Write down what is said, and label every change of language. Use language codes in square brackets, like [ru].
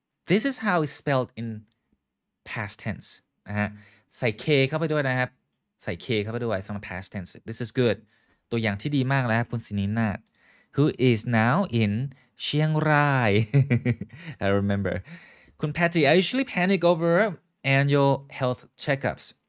[en] This is how it's spelled in past tense. [th] ใส่ K เข้าไปด้วยนะครับใส่ K เข้าไปด้วยสำหรับ [en] past tense. This is good. [th] ตัวอย่างที่ดีมากแล้วครับคุณสินีนาท [en] who is now in [th] เชียงราย [en] I remember. คุณ Patty, I usually panic over annual health checkups.